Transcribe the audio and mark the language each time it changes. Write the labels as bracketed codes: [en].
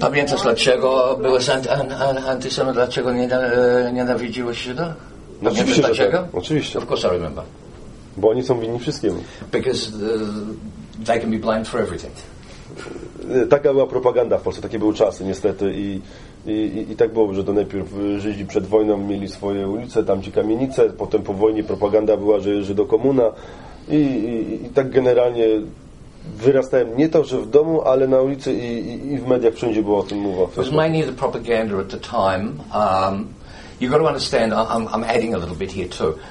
[pl] Pamiętasz, dlaczego byłeś antysemitą? Dlaczego nienawidziłeś Żyda? Dlaczego? Oczywiście. [en] Of course I remember. [pl] Bo oni są winni wszystkiemu. [en] Because they can be blamed for everything. [pl] Taka była propaganda w Polsce. Takie były czasy, niestety. I tak było, że to najpierw Żydzi przed wojną mieli swoje ulice, tamci kamienice. Potem po wojnie propaganda była, że Żydokomuna. I tak generalnie wyrastałem nie to, że w domu, ale na ulicy i w mediach wszędzie było o tym mowa. [en] It was mainly the propaganda at the time. You've got to understand, I'm adding a little bit here too.